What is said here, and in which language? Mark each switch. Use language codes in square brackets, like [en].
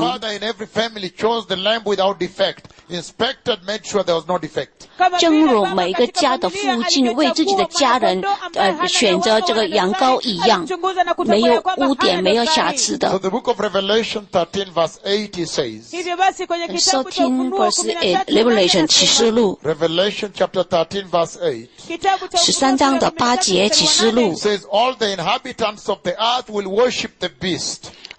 [en] The Father in every family chose the lamb without defect. Inspected, made sure there was no defect. [zh] 正如每一个家的父亲为自己的家人选择这个羊羔一样，没有污点，没有瑕疵的。 [en] So the book of Revelation 13 verse 8 he says. Revelation chapter 13 verse 8. [zh] 13章的8节启示录 [en] says all the inhabitants of the earth will worship the beast.